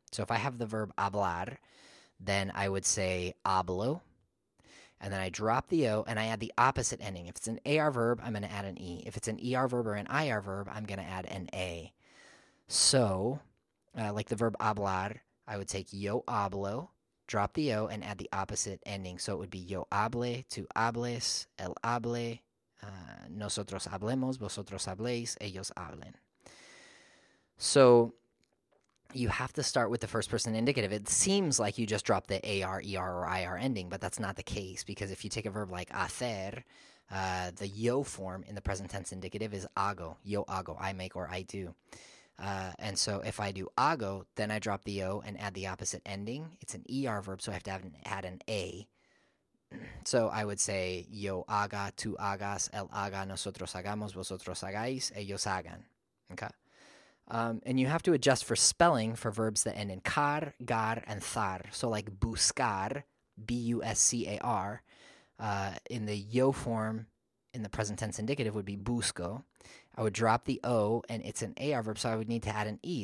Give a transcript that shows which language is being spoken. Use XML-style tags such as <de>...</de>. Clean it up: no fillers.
<en>So if I have the verb hablar, then I would say hablo, and then I drop the O, and I add the opposite ending. If it's an AR verb, I'm going to add an E. If it's an ER verb or an IR verb, I'm going to add an A. So like the verb hablar, I would take yo hablo, drop the O and add the opposite ending. So it would be</en> <es>yo hable, tú hables, él hable, nosotros hablemos, vosotros habléis, ellos hablen.</es> <en>So you have to start with the first person indicative. It seems like you just drop the AR, ER, or IR ending, but that's not the case, because if you take a verb like hacer, the yo form in the present tense indicative is hago,</en> <es>yo hago,</es> <en>I make or I do. And so if I do hago, then I drop the O and add the opposite ending. It's an ER verb, so I have to add an A. So I would say,</en> <es>yo haga, tú hagas, él haga, nosotros hagamos, vosotros hagáis, ellos hagan.</es> <en>Okay. And you have to adjust for spelling for verbs that end in car, gar, and thar. So like buscar, B-U-S-C-A-R, in the yo form, in the present tense indicative, would be busco. I would drop the O, and it's an AR verb, so I would need to add an E.</en>